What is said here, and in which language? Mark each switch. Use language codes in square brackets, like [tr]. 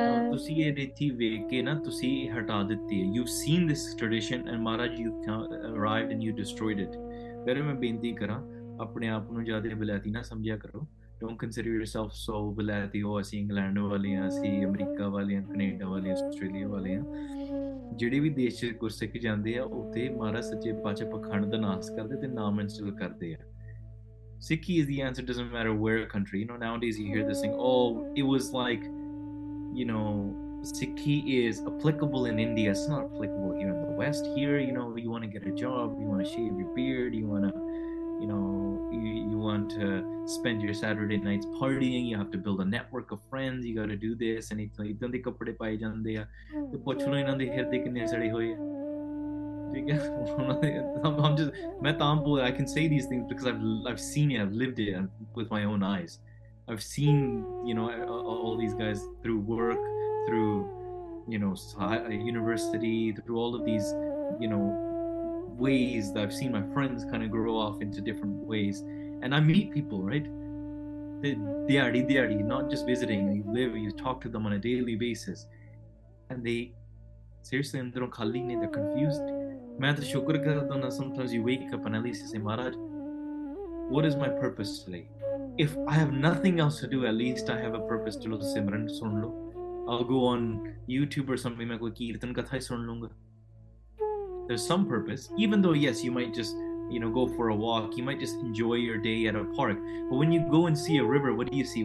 [pa] ਤੁਸੀਂ ਇਹ ਰੀਤੀ ਵੇਖ ਕੇ ਨਾ ਤੁਸੀਂ ਹਟਾ ਦਿੱਤੀ [en] you seen this tradition and Maharaj you arrived and you destroyed it [pa] ਬੇਰੇ ਮੈਂ ਬੇਨਤੀ ਕਰਾਂ ਆਪਣੇ ਆਪ ਨੂੰ ਜ਼ਿਆਦਾ ਵਿਲਾਇਤੀ ਨਾ ਸਮਝਿਆ ਕਰੋ [en] don't consider yourself so ਵਿਲਾਇਤੀ [pa] ਹੋ ਅਸੀਂ ਇੰਗਲੈਂਡ ਵਾਲੇ ਹਾਂ ਅਸੀਂ ਅਮਰੀਕਾ ਵਾਲੇ ਹਾਂ ਕਨੇਡਾ ਵਾਲੇ ਹਾਂ ਆਸਟ੍ਰੇਲੀਆ ਵਾਲੇ ਹਾਂ ਜਿਹੜੇ ਵੀ ਦੇਸ਼ 'ਚ ਗੁਰਸਿੱਖ ਜਾਂਦੇ ਆ ਉੱਥੇ ਮਹਾਰਾਜ ਸੱਚੇ ਪਾਤਸ਼ਾਹ ਪਖੰਡ ਦਾ ਨਾਸ ਕਰਦੇ ਅਤੇ ਨਾਮ ਇੰਸਟਾਲ ਕਰਦੇ ਆ [en] Sikhi is the answer, doesn't matter where country. You know, nowadays you hear this thing, oh, it was like, you know, Sikhi is applicable in India. It's not applicable here in the West. Here, you know, you want to get a job, you want to shave your beard, you want to, you know, you want to spend your Saturday nights partying, you have to build a network of friends, you got to do this. And it's like, don't they [pa] kapde paye jande ya? To pochlo inan de hirde kinne sade hoye. [en] I can say these things because I've seen it, I've lived it with my own eyes. I've seen, you know, all these guys through work, through, you know, university, through all of these, you know, ways that I've seen my friends kind of grow off into different ways. And I meet people, right? They are not just visiting, you live, you talk to them on a daily basis. And they, seriously, they're confused. [pa] ਮੈਂ ਤਾਂ ਸ਼ੁਕਰ ਕਰਦਾ ਹੁੰਦਾ [en] Sometimes you wake up and at least you say Maharaj what is my purpose today if I have nothing else to do, at least I have a purpose to listen to Simran. [pa] Sun lo. [en] I'll go on YouTube or something. [hi] Main koi kirtan katha hi sun lunga. [en] There's some purpose, even though, yes, you might just, you know, go for a walk. You might just enjoy your day at a park. But when you go and see a river, what do you see?